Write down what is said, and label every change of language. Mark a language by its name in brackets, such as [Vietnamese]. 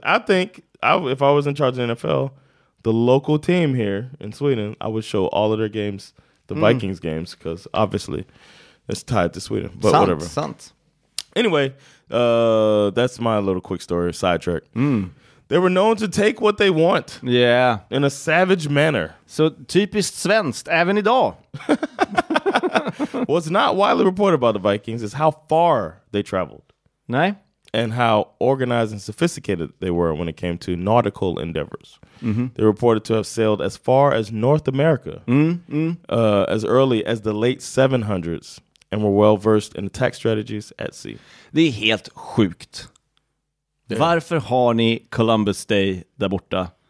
[English] I think if I was in charge of the NFL, the local team here in Sweden, I would show all of their games, the Vikings games, because obviously it's tied to Sweden. But [Swedish] sant, [English] whatever. [Swedish] Sant. [English] Anyway, that's my little quick story, sidetrack. Mm. They were known to take what they want. Yeah. In a savage manner. [Swedish] So typiskt svenskt, även idag. [English] What's not widely reported about the Vikings is how far they traveled. [Swedish] Nej. [English] And how organized and sophisticated they were when it came to nautical endeavors. Mm-hmm. They reported to have sailed as far as North America, as early as the late 700s, and were well versed in attack strategies at sea. [Swedish] Det är helt sjukt. [English] Yeah. [Swedish] Varför har ni Columbus Day där borta?